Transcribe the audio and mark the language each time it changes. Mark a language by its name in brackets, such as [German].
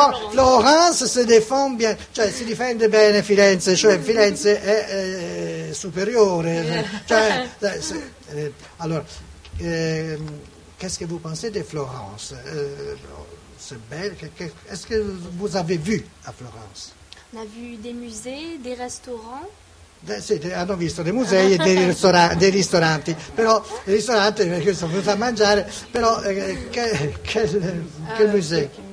[French] Florence se défend bien. [Italian] Cioè, si difende bene Firenze. Cioè, Firenze è superiore. [French] Qu'est-ce que vous pensez de Florence? C'est belle. Est-ce que vous avez vu à Florence? On a vu des musées, des restaurants. [Italian] Hanno visto dei musei e dei ristoranti, però i ristoranti perché sono venuti a mangiare, però che musei?